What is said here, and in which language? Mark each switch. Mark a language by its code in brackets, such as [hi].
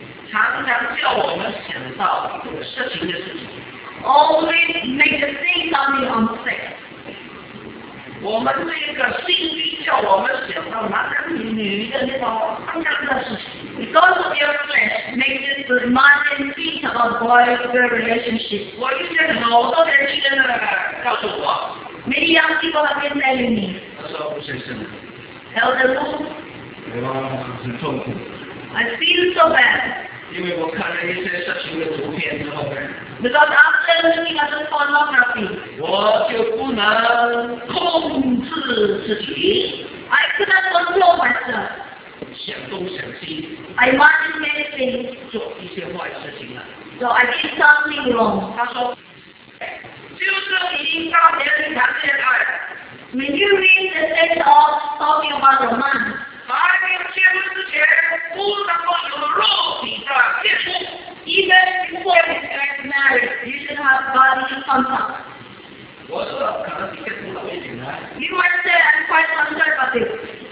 [zh] 常常叫我们想到这个色情的事情。 [en] Always make the thing something on sex. [zh] 我们那个性欲叫我们想到男的女的那种肮脏的事情。 [en] Because of your flesh makes it remind you think about boy-girl relationship. [zh] 我遇见好多年轻人告诉我。 [en] Many young people have been telling me. [zh] 他说不先生。 [en] Tell them all. [zh] 很痛苦。 [en] I feel so bad. [zh] 因为我看了一些色情的图片之后呢。 [en] Because after looking at the pornography, [zh] 我就不能控制自己。 [en] I couldn't control myself. [zh] 想东想西。 [en] I imagine many things. [zh] 做一些坏事情了。 [en] So I did something wrong. [zh] 他说，就是已经到别人谈恋爱。 [en] When you read the text of talking about the man. Even before you get married, you should have body contact. You might say I'm quite conservative.